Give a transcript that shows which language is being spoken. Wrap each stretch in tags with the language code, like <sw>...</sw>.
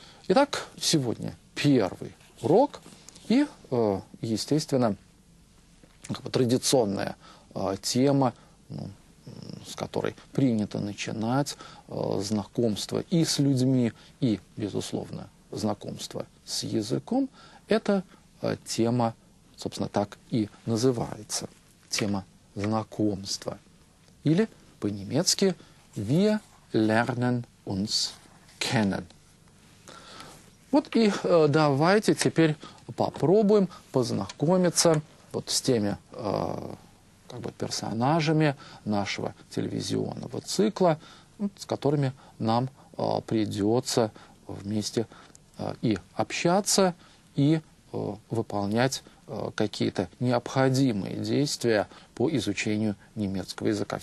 <ru>Итак, сегодня первый урок, и, естественно, как бы традиционная тема, ну, с которой принято начинать знакомство и с людьми, и, безусловно, знакомство с языком, это тема, собственно, так и называется, тема знакомства. Или по-немецки</ru> <de>«Wir lernen uns kennen».</de> <ru>Вот и давайте теперь попробуем познакомиться вот с теми как бы персонажами нашего телевизионного цикла, с которыми нам придется вместе и общаться, и выполнять какие-то необходимые действия по изучению немецкого языка.</ru>